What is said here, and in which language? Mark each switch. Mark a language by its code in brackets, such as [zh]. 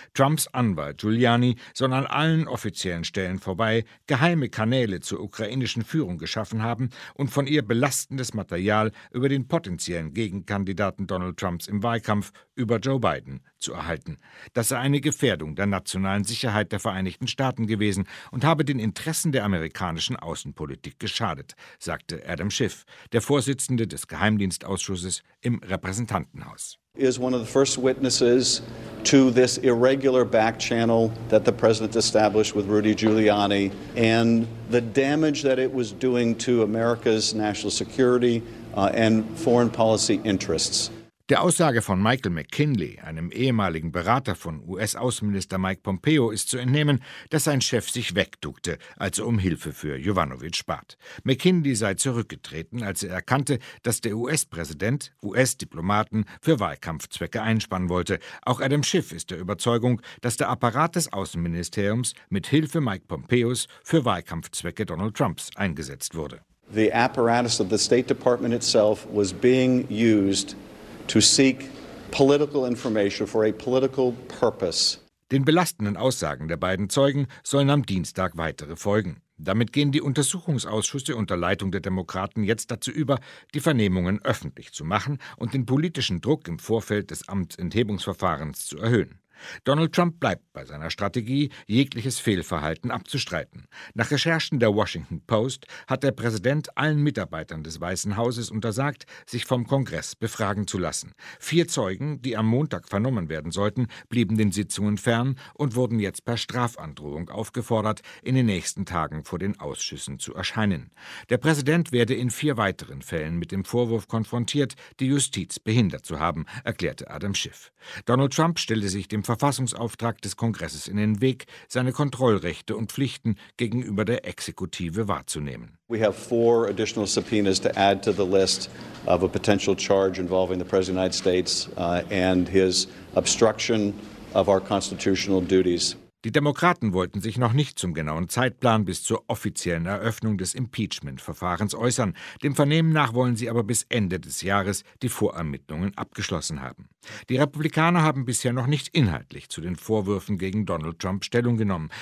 [de] Trumps Anwalt Giuliani soll an allen offiziellen Stellen vorbei geheime Kanäle zur ukrainischen Führung geschaffen haben und von ihr belastendes Material über den potenziellen Gegenkandidaten Donald Trumps im Wahlkampf über Joe Biden zu erhalten. Das sei eine Gefährdung der nationalen Sicherheit der Vereinigten Staaten gewesen und habe den Interessen der amerikanischen Außenpolitik geschadet, sagte Adam Schiff, der Vorsitzende des Geheimdienstausschusses im Repräsentantenhaus. [en] Is one of the first witnesses to this irregular back channel that the president established with Rudy Giuliani and the damage that it was doing to America's national security and foreign policy interests. [de] Der Aussage von Michael McKinley, einem ehemaligen Berater von US-Außenminister Mike Pompeo, ist zu entnehmen, dass sein Chef sich wegduckte, als er um Hilfe für Yovanovitch bat. McKinley sei zurückgetreten, als er erkannte, dass der US-Präsident US-Diplomaten für Wahlkampfzwecke einspannen wollte. Auch Adam Schiff ist der Überzeugung, dass der Apparat des Außenministeriums mit Hilfe Mike Pompeos für Wahlkampfzwecke Donald Trumps eingesetzt wurde. [en] The apparatus of the State Department itself was being used to seek political information for a political purpose. [de] Den belastenden Aussagen der beiden Zeugen sollen am Dienstag weitere folgen. Damit gehen die Untersuchungsausschüsse unter Leitung der Demokraten jetzt dazu über, die Vernehmungen öffentlich zu machen und den politischen Druck im Vorfeld des Amtsenthebungsverfahrens zu erhöhen. Donald Trump bleibt bei seiner Strategie, jegliches Fehlverhalten abzustreiten. Nach Recherchen der Washington Post hat der Präsident allen Mitarbeitern des Weißen Hauses untersagt, sich vom Kongress befragen zu lassen. Vier Zeugen, die am Montag vernommen werden sollten, blieben den Sitzungen fern und wurden jetzt per Strafandrohung aufgefordert, in den nächsten Tagen vor den Ausschüssen zu erscheinen. Der Präsident werde in vier weiteren Fällen mit dem Vorwurf konfrontiert, die Justiz behindert zu haben, erklärte Adam Schiff. Donald Trump stellte sich dem Verfassungsauftrag des Kongresses in den Weg, seine Kontrollrechte und Pflichten gegenüber der Exekutive wahrzunehmen. [en] We have four additional subpoenas to add to the list of a potential charge involving the President of the United States and his obstruction of our constitutional duties. [de] Die Demokraten wollten sich noch nicht zum genauen Zeitplan bis zur offiziellen Eröffnung des Impeachment-Verfahrens äußern. Dem Vernehmen nach wollen sie aber bis Ende des Jahres die Vorermittlungen abgeschlossen haben. Die Republikaner haben bisher noch nicht inhaltlich zu den Vorwürfen gegen Donald Trump Stellung genommen.